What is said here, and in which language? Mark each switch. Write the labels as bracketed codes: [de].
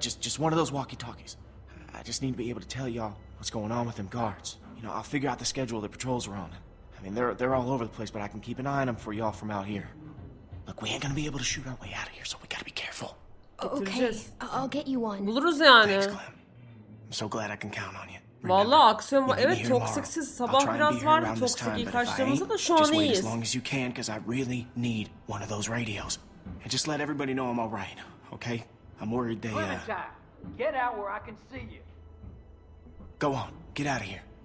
[en] Just one of those walkie-talkies. I just need to be able to tell y'all what's going on with them guards. You know, I'll figure out the schedule the patrols are on. I mean, they're all over the place, but I can keep an eye on them for y'all from out here. Look, we ain't gonna be able to shoot our way out of here, so we gotta be careful. Okay, I'll get you one. [tr] Buluruz yani. [en] Thanks, Clem. I'm so glad I can count on you. [tr] Vallahi aksiyon var. Evet, toksiksiz. Sabah biraz vardı toksik ilaçlarımızı da şu an iyiyiz. [en] As long as you can, because I really need one of those radios. And just let everybody know I'm all right, okay? I'm worried they, Get out where I can see you. Go on. Get out of here.